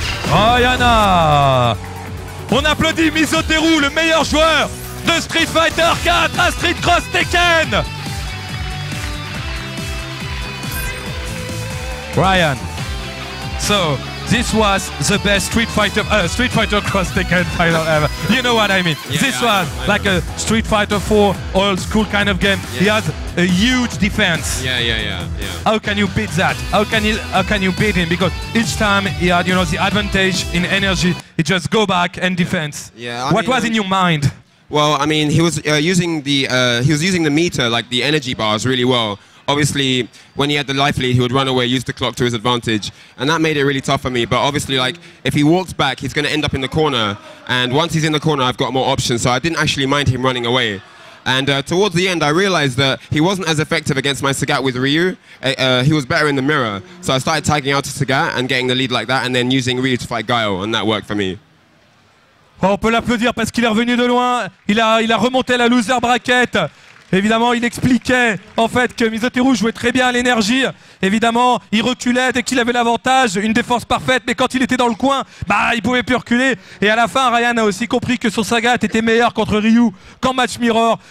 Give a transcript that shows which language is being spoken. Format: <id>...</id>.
<fr>Ryan Hart, on applaudit Misoteru, le meilleur joueur de Street Fighter 4 à Street Cross Tekken.</fr> <en>Ryan, so this was the best Street Fighter Cross Tekken title ever. You know what I mean? Yeah, this was like a Street Fighter 4 old school kind of game. Yes. He has a huge defense. Yeah. How can you beat that? How can you beat him? Because each time he had, you know, the advantage in energy, he just go back and defense. Yeah. What was in your mind? Well, I mean, he was using the meter, like the energy bars, really well. Obviously, when he had the life lead, he would run away, use the clock to his advantage. And that made it really tough for me. But obviously, like, if he walks back, he's going to end up in the corner. And once he's in the corner, I've got more options. So I didn't actually mind him running away. And towards the end, I realized that he wasn't as effective against my Sagat with Ryu. He was better in the mirror. So I started tagging out to Sagat and getting the lead like that, and then using Ryu to fight Guile, and that worked for me.</en> <fr>Well, on peut l'applaudir parce qu'il est revenu de loin. Il a remonté la loser bracket. Évidemment, il expliquait en fait que Misoteru jouait très bien à l'énergie. Évidemment, il reculait dès qu'il avait l'avantage, une défense parfaite. Mais quand il était dans le coin, bah, il pouvait plus reculer. Et à la fin, Ryan a aussi compris que son Sagat était meilleur contre Ryu qu'en match mirror.</fr>